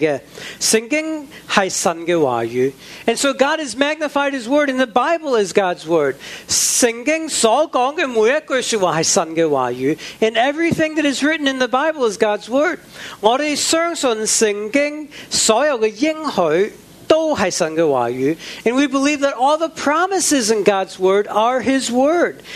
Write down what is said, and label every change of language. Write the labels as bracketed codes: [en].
[zh] 神令到他的话语是伟大的。圣经是神的话语。 [en] And so God has magnified his word, and the Bible is God's word. [zh] 圣经所讲的每一句说话是神的话语。 [en] And everything that is written in the Bible is God's word. [zh] 我们相信圣经所有的应许都是神的话语, [en] and we believe that all the promises in God's word are His word.